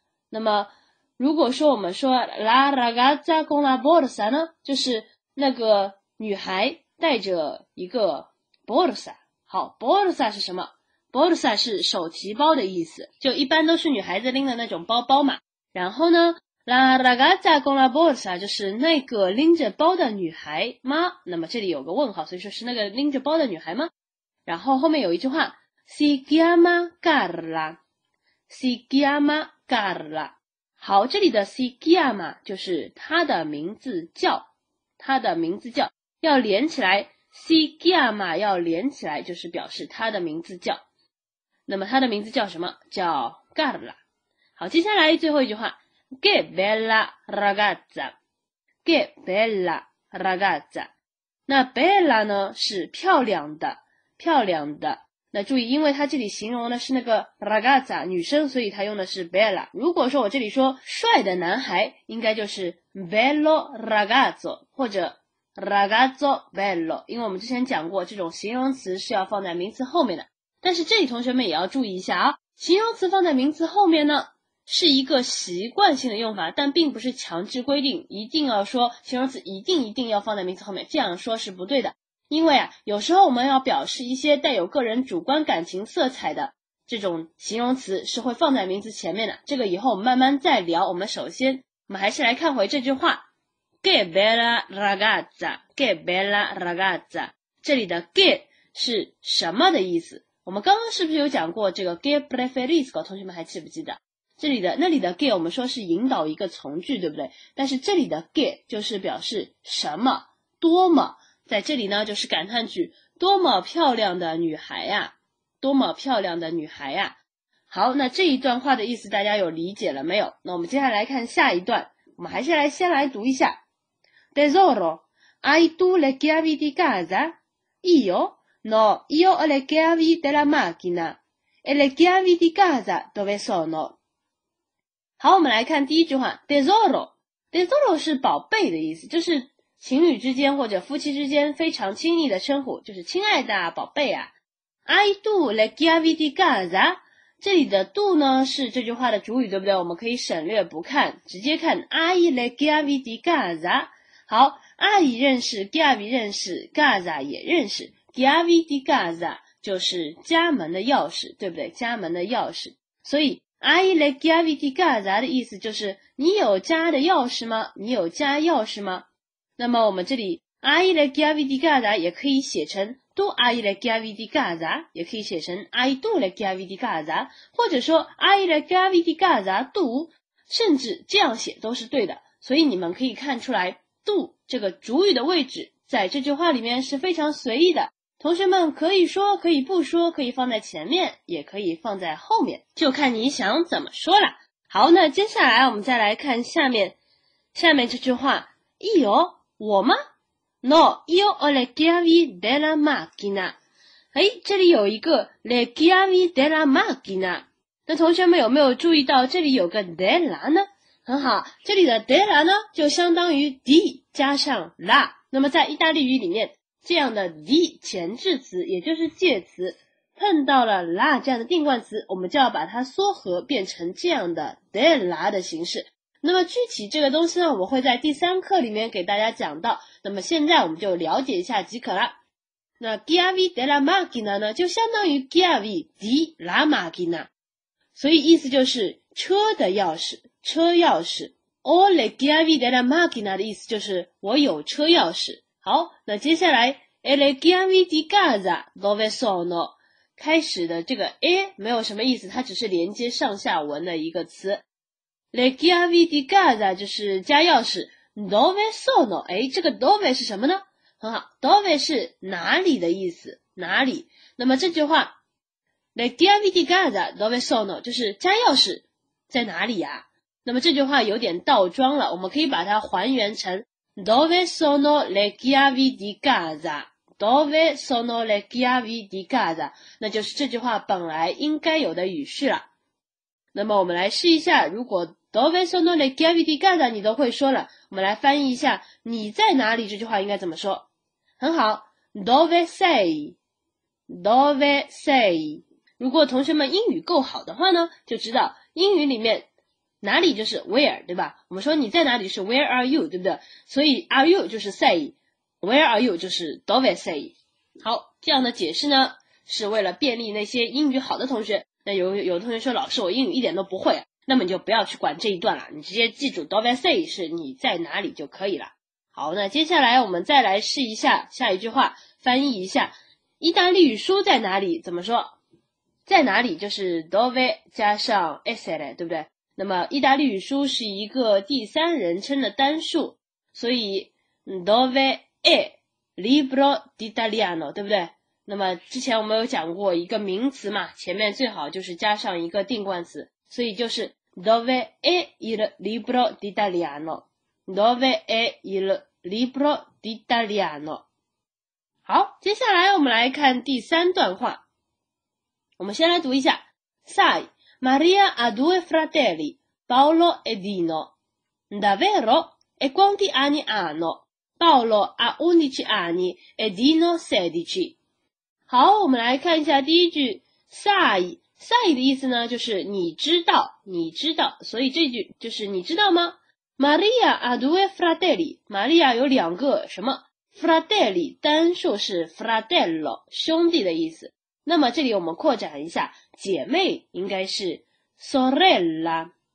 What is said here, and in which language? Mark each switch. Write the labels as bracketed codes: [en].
[zh] 那么如果说我们说 [it] la ragazza con la borsa [zh] 呢，就是那个女孩带着一个 borsa。好， borsa 是什么？ borsa 是手提包的意思，就一般都是女孩子拎的那种包包嘛。然后呢， [it] La ragazza con la borsa [zh] 就是那个拎着包的女孩吗？那么这里有个问号，所以说是那个拎着包的女孩吗？然后后面有一句话 [it] Si chiama Carla Si chiama Carla。 [zh] 好，这里的 Si chiama 就是她的名字叫，她的名字叫要连起来， Si chiama 要连起来就是表示她的名字叫。那么她的名字叫什么？叫 Carla。好，接下来最后一句话， [it] Che bella ragazza, che bella ragazza。 [zh] 那 bella 呢是漂亮的，漂亮的。那注意，因为它这里形容的是那个 ragazza 女生，所以它用的是 bella。如果说我这里说帅的男孩，应该就是 [it] bello ragazzo [zh] 或者 [it] ragazzo bello， [zh] 因为我们之前讲过这种形容词是要放在名词后面的。但是这里同学们也要注意一下啊，形容词放在名词后面呢是一个习惯性的用法，但并不是强制规定一定要说形容词一定要放在名词后面，这样说是不对的。因为啊，有时候我们要表示一些带有个人主观感情色彩的这种形容词是会放在名词前面的，这个以后我们慢慢再聊。我们还是来看回这句话， [it] Che bella ragazza， Che bella ragazza。 [zh] 这里的 che 是什么的意思？我们刚刚是不是有讲过这个 [it] che preferisco， [zh] 同学们还记不记得这里的那里的 get， 我们说是引导一个从句，对不对？但是这里的 get 就是表示什么多么，在这里呢就是感叹句，多么漂亮的女孩呀，多么漂亮的女孩呀。好，那这一段话的意思大家有理解了没有？那我们接下来看下一段，我们还是来先来读一下。 [it] Tesoro hai tu le chiavi di casa? Io? No, io ho le chiavi della macchina. E le chiavi di casa dove sono? [zh] 好，我们来看第一句话， Tesoro。Tesoro 是宝贝的意思，就是情侣之间或者夫妻之间非常亲密的称呼，就是亲爱的啊，宝贝啊。 [it] I do le chiavi di casa， [zh] 这里的 do 呢是这句话的主语，对不对？我们可以省略不看，直接看 [it] I le chiavi di casa。 [zh] 好， I 认识， chiavi 认识， casa 也认识， [it] chiavi di casa [zh] 就是家门的钥匙，对不对？家门的钥匙。所以 [it] Hai le chiavi di casa [zh] 的意思就是你有家的钥匙吗？你有家钥匙吗？那么我们这里 [it] Hai le chiavi di casa [zh] 也可以写成 [it] Tu hai le chiavi di casa， 也可以写成 Hai tu le chiavi di casa， [zh] 或者说 [it] Hai le chiavi di casa tu， [zh] 甚至这样写都是对的。所以你们可以看出来 Tu 这个主语的位置在这句话里面是非常随意的，同学们可以说可以不说，可以放在前面也可以放在后面，就看你想怎么说了。好，那接下来我们再来看下面这句话。 Io 我吗？ [it] No， io ho le chiavi della macchina。 [zh] 诶，这里有一个 [it] le chiavi della macchina， [zh] 那同学们有没有注意到这里有个 della 呢？很好，这里的 della 呢就相当于 di 加上 la。那么在意大利语里面这样的 di 前置词，也就是介词，碰到了 la 这样的定冠词，我们就要把它缩合变成这样的 della 的形式。那么具体这个东西呢，我会在第三课里面给大家讲到，那么现在我们就了解一下即可了。那 [it] chiavi della macchina [zh] 呢就相当于 [it] chiavi di la macchina， [zh] 所以意思就是车的钥匙，车钥匙。 [it] o le chiavi della macchina [zh] 的意思就是我有车钥匙。好，那接下来 [it] e le chiavi di casa dove sono， [zh] 开始的这个 e 没有什么意思，它只是连接上下文的一个词。 [it] le chiavi di casa [zh] 就是家钥匙， [it] dove sono， [zh] 诶，这个 dove 是什么呢？很好， dove 是哪里的意思，哪里。那么这句话 [it] le chiavi di casa dove sono [zh] 就是家钥匙在哪里呀？那么这句话有点倒装了，我们可以把它还原成 [it] Dove sono le chiavi di casa? Dove sono le chiavi di casa? [zh] 那就是这句话本来应该有的语序了。那么我们来试一下，如果 [it] Dove sono le chiavi di casa [zh] 你都会说了，我们来翻译一下你在哪里这句话应该怎么说。很好， [it] Dove sei? Dove sei? [zh] 如果同学们英语够好的话呢，就知道英语里面哪里就是 where, 对吧？我们说你在哪里是 [en] where are you, [zh] 对不对？所以 [en] are you [zh] 就是 sei, [en] where are you [zh] 就是 [it] dove sei。 [zh] 好，这样的解释呢是为了便利那些英语好的同学。那有的同学说，老师我英语一点都不会，那么你就不要去管这一段了，你直接记住 [it] dove sei [zh] 是你在哪里就可以了。好，那接下来我们再来试一下下一句话，翻译一下意大利语书在哪里怎么说。在哪里就是 dove 加上 essere, 对不对？那么意大利语书是一个第三人称的单数，所以 [it] dove è libro d'italiano, [zh] 对不对？那么之前我们有讲过一个名词嘛，前面最好就是加上一个定冠词，所以就是 [it] dove è il libro d'italiano, [zh] dove è il libro d'italiano。好，接下来我们来看第三段话，我们先来读一下。 [it] Sai, Maria ha due fratelli, Paolo e Dino. Davvero? E quanti anni hanno? Paolo ha 11 anni e Dino 16. [zh] 好，我们来看一下第一句。Sai 的意思呢，就是你知道，所以这句就是你知道吗？ [it] Maria ha due fratelli, [zh] Maria 有两个什么？ Fratelli 单数是 fratello, 兄弟的意思。那么这里我们扩展一下，姐妹应该是 sorella。